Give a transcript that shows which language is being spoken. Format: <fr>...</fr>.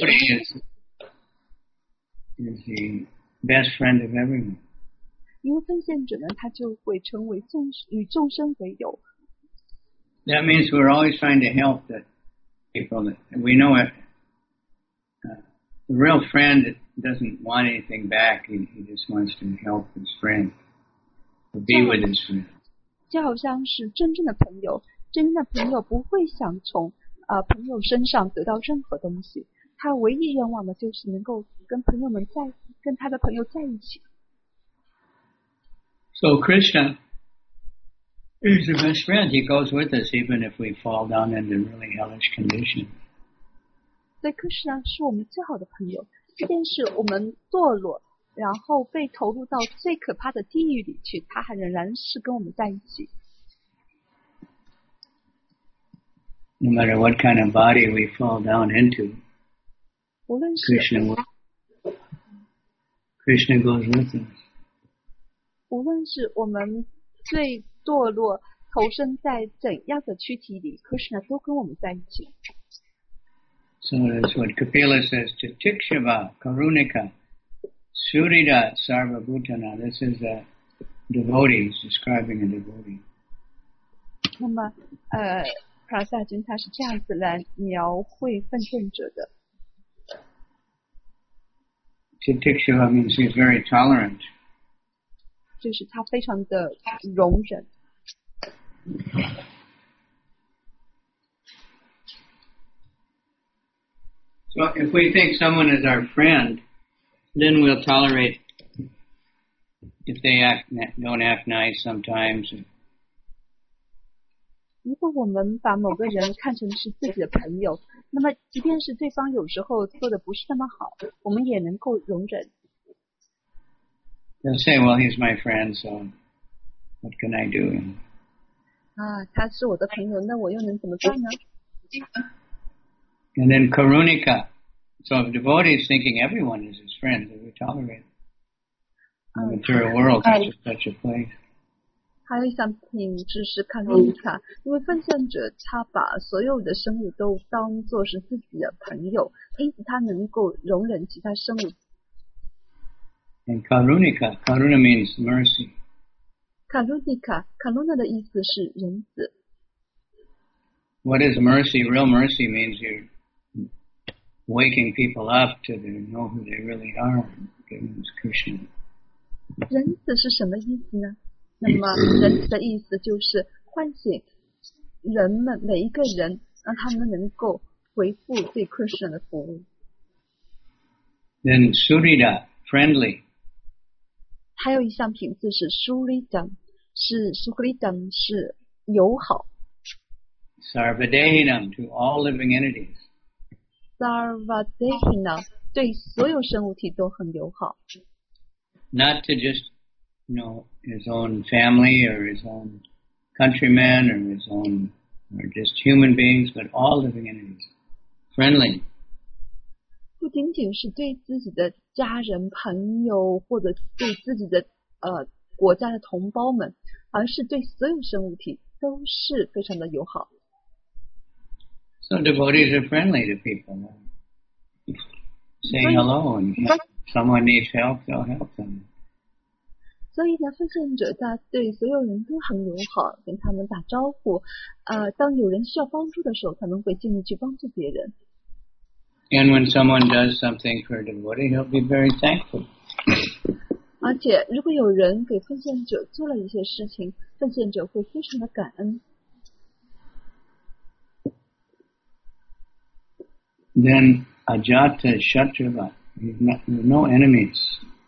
<en>The devotee is the best friend of everyone.</en> <zh>一位奉献者呢, 他就会成为众生为友。</zh> <en>That means we're always trying to help the people that we know it. The real friend doesn't want anything back. He just wants to help his friend, to be with his friend.</en> <zh>就好像是真正的朋友，真正的朋友不会想从朋友身上得到任何东西。他唯一愿望的就是能够跟朋友们在，跟他的朋友在一起。</zh> <en>So Krishna is our best friend. He goes with us even if we fall down into really hellish condition.</en> <zh>所以 Krishna 是我们最好的朋友，即便是我们堕落，然后被投入到最可怕的地狱里去，他还仍然是跟我们在一起。</zh> <en>No matter what kind of body we fall down into, Krishna goes with us.</en> <zh>无论是我们最堕落，投身在怎样的躯体里， Krishna 都跟我们在一起。</zh> <en>So that's what Kapila says to Tikshava, Karunika, Surida, Sarvabhutana. This is a devotee, he's describing a devotee.</en> <zh>那么Prasad Jin 他是这样子来描绘奋斗者的。</zh> <en>Tikshava means he's very tolerant.</en> <zh>就是他非常的容忍。</zh> <en>So if we think someone is our friend, then we'll tolerate if they don't act nice sometimes.</en> <zh>如果我们把某个人看成是自己的朋友，那么即便是对方有时候做的不是那么好，我们也能够容忍。</zh> <en>They'll say, well, he's my friend, so what can I do?</en> <zh>啊，他是我的朋友，那我又能怎么办呢？</zh> <en>And then Karunika. So if a devotee is thinking everyone is his friend, then we tolerate it. The material world is just such a place.</en> <zh>还有一项品质是 Karunika, 因为奉献者他把所有的生物都当作是自己的朋友，因此他能够容忍其他生物。</zh> <en>And Karunika, Karuna means mercy.</en> <zh>Karunika, Karuna 的意思是仁慈。</zh> <en>What is mercy? Real mercy means you're waking people up to know who they really are, giving them Krishna.</en> <zh>仁慈是什么意思呢？那么仁慈的意思就是唤醒人们每一个人，让他们能够回复对 Krishna 的服务。</zh> <en>Then Surida, friendly.</en> <zh>还有一项品质是 Suridam 是友好。</zh> <en>Sarvadehinam to all living entities.</en> <zh>Sarvadehinam 对所有生物体都很友好。</zh> <en>Not to just, you know, his own family or his own countrymen or his own, or just human beings, but all living entities. Friendly.</en> <zh>不仅仅是对自己的家人、朋友或者对自己的国家的同胞们，而是对所有生物体都是非常的友好。</zh> <en>So devotees are friendly to people. Say hello, and if someone needs help, they'll help them.</en> <zh>所以呢，奉献者他对所有人都很友好，跟他们打招呼。当有人需要帮助的时候，他们会尽力去帮助别人。</zh> <en>And when someone does something for a devotee, he'll be very thankful.</en> <zh>而且，如果有人给奉献者做了一些事情，奉献者会非常的感恩。</zh> <en>Then Ajata Shatrava, there's no enemies.</en>